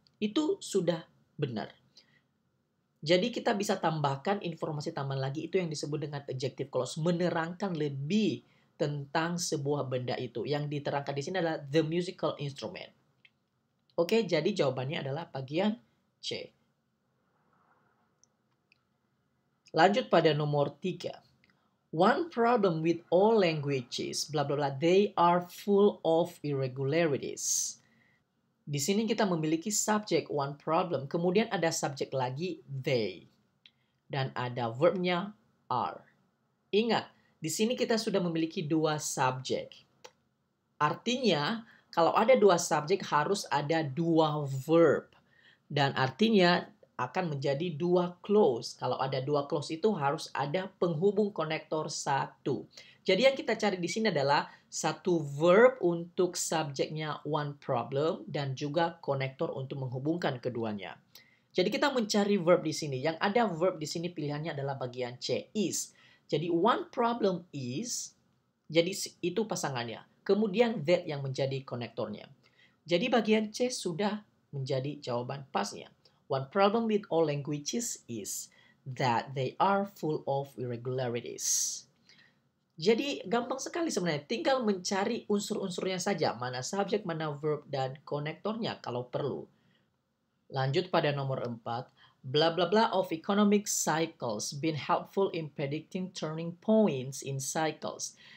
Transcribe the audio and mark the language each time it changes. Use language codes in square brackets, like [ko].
[id] Itu sudah benar. Jadi, kita bisa tambahkan informasi tambahan lagi, itu yang disebut dengan adjective clause, menerangkan lebih tentang sebuah benda itu. Yang diterangkan di sini adalah [en] the musical instrument. [id] Oke, jadi jawabannya adalah bagian C. Lanjut pada nomor 3. [en] One problem with all languages, bla bla bla, they are full of irregularities. [id] Di sini kita memiliki subjek, [en] one problem. [id] Kemudian ada subjek lagi, they. Dan ada verbnya, are. Ingat, di sini kita sudah memiliki dua subjek. Artinya, kalau ada dua subjek, harus ada dua verb. Dan artinya akan menjadi dua clause. Kalau ada dua clause itu harus ada penghubung konektor satu. Jadi yang kita cari di sini adalah satu verb untuk subjeknya [en] one problem [id] dan juga konektor untuk menghubungkan keduanya. Jadi kita mencari verb di sini. Yang ada verb di sini pilihannya adalah bagian C, is. Jadi [en] one problem is, [id] Jadi itu pasangannya. Kemudian that yang menjadi konektornya. Jadi bagian C sudah menjadi jawaban pasnya. [en] One problem with all languages is that they are full of irregularities. [id] Jadi gampang sekali sebenarnya, tinggal mencari unsur-unsurnya saja, mana subjek, mana verb, dan konektornya kalau perlu. Lanjut pada nomor 4, [en] blah blah blah of economic cycles been helpful in predicting turning points in cycles.